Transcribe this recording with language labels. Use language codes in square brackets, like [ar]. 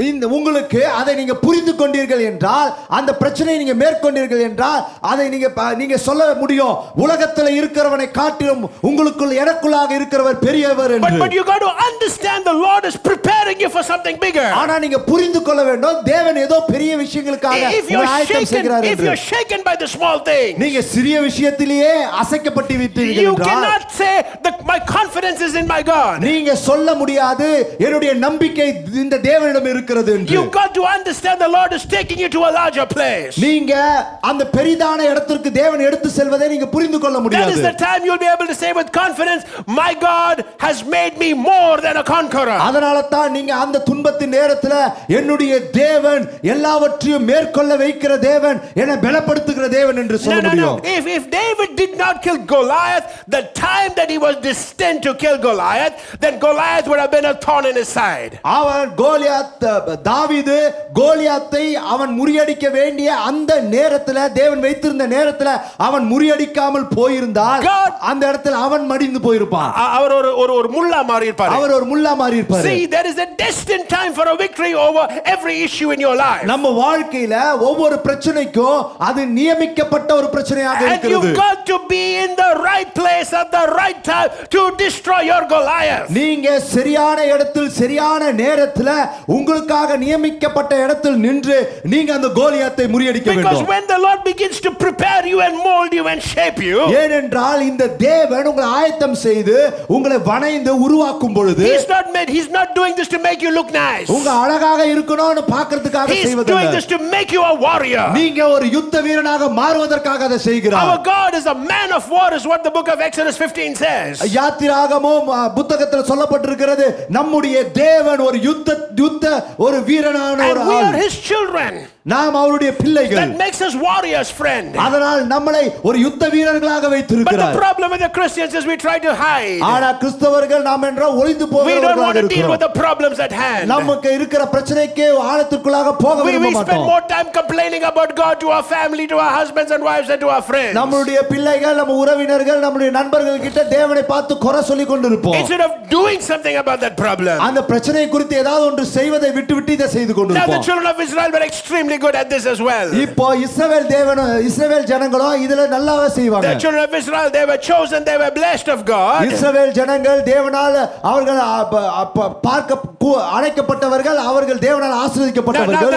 [ta] இந்த உங்களுக்கு அதை நீங்க புரிந்துகொண்டீர்கள் என்றால், அந்த பிரச்சனையை நீங்க மேற்கொண்டீர்கள் என்றால், அதை நீங்க சொல்ல முடியும், உலகத்தில் இருக்கிறவனை காட்டிலும் உங்களுக்குள் எனக்குள்ளாக இருக்கிறவர் பெரியவர் என்று. [en] But you got to understand the Lord is preparing you for something bigger. [ta] ஆனா நீங்க புரிந்துகொள்ள வேண்டும், தேவன் ஏதோ பெரிய விஷயங்களுக்காக உங்களை ஆயத்தம் செய்கிறார் என்று. [en] If you're shaken by the small things, [ta] நீங்க சிறிய விஷயத்திலேயே அசைக்கப்பட்டு விட்டீர்கள் என்றால், [en] you cannot say that my confidence is in my God. [ta] நீங்க சொல்ல முடியாது, என்னுடைய நம்பிக்கை இந்த தேவனிடம் இருக்கிறது என்று. [en] You got to understand the Lord is taking you to a larger place. [ta] நீங்க அந்த பெரிதான இடத்துக்கு தேவன் எடுத்து செல்வதை நீங்க புரிந்துகொள்ள முடியாது. [en] That is the time you'll be able to say with God, confidence, my God has made me more than a conqueror. [ta] அதனால தான் நீங்க அந்த துன்பத்தின் நேரத்துல என்னுடைய தேவன் எல்லாவற்றையும் மேற்கொள்ள வைக்கிற தேவன் என்னை பலப்படுத்துகிற தேவன் என்று சொல்ல முடியும். [en] If David did not kill Goliath the time that he was destined to kill Goliath, then Goliath would have been a thorn in his side. [ta] அவன் கோலியாத் தாவீது கோலியாத்தை அவன் முறியடிக்க வேண்டிய அந்த நேரத்துல தேவன் வைத்திருந்த நேரத்துல அவன் முறியடிக்காமல் போயிருந்தால் அந்த இடத்துல அவன் மடிந்து போயிருப்பான். அவர் ஒரு முள்ளா மாறி இருப்பார். அவர் ஒரு முள்ளா மாறி இருப்பார். [en] See, there is a destined time for a victory over every issue in your life. [ta] நம்ம வாழ்க்கையில ஒவ்வொரு பிரச்சனைக்கும் அது நியமிக்கப்பட்ட ஒரு பிரச்சனையாக இருக்கிறது. [en] And you've got to be in the right place at the right time to destroy your Goliath. [ta] நீங்க சரியான இடத்தில் சரியான நேரத்துல உங்களுக்காக நியமிக்கப்பட்ட இடத்தில் நின்று நீங்க அந்த கோலியாத்தை முறியடிக்க வேண்டும். [en] Because when the Lord begins to prepare you and mold you and shape you, [ta] ஏனென்றால் இந்த தேவன் உங்களை ஆயத்தம் செய்து உங்களை வணைந்து உருவாக்கும் பொழுது, [en] He's not doing this to make you look nice. [ta] உங்க அழகாக இருக்கணும்னு பார்க்கிறதுக்காக செய்வதல்ல. [en] He's doing this to make you a warrior. [ta] நீங்க ஒரு யுத்த வீரனாக மாறுவதற்காக அதை செய்கிறார். [en] Our God is a man of war is what the book of Exodus 15 says. [ta] யாத்திராகமம் புத்தகத்தில் சொல்லப்பட்டிருக்கிறது நம்முடைய தேவன் ஒரு யுத்த ஒரு வீரனான ஒரு ஆள். [en] And we are his children. [ta] நாம் அவருடைய பிள்ளைகள். [en] That makes us warriors, friend. [ta] அதனால் நம்மளை ஒரு யுத்த வீரர்களாக வைத்திருக்கிறார். [en] But the problem with the Christians is we try to hide. [ta] ஆனா கிறிஸ்தவர்கள் நாம் என்ற ஒளிந்து போகிறோம். [en] We don't want to deal with the problems at hand. [ta] நமக்கு இருக்கிற பிரச்சனைக்கே ஆழத்துக்குள்ளாக போக விரும்ப மாட்டோம். [en] We spend more time complaining about God to our family, to our husbands and wives and to our friends. [ta] நம்மளுடைய பிள்ளைகள், நம்ம உறவினர்கள், நம்மளுடைய நண்பர்கள் கிட்ட தேவனை பார்த்து குறை சொல்லிக் கொண்டிருப்போம். [en] Instead of doing something about that problem. [ta] அந்த பிரச்சனை குறித்து ஏதாவது ஒன்று செய்வதை விட்டுவிட்டு இதை செய்து கொண்டிருப்போம். [en] Now the children of Israel were extremely good at this as well. [ta] இப்போ இஸ்ரவேல் தேவன் இஸ்ரவேல் ஜனங்களோ இதல நல்லாவே செய்வாங்க. [en] The children of Israel, they were chosen, they were blessed of God. [ta] இஸ்ரவேல் ஜனங்கள் தேவனால் அவர்கள் பார்க்க அழைக்கப்பட்டவர்கள், அவர்கள் தேவனால் ஆசீர்வதிக்கப்பட்டவர்கள்.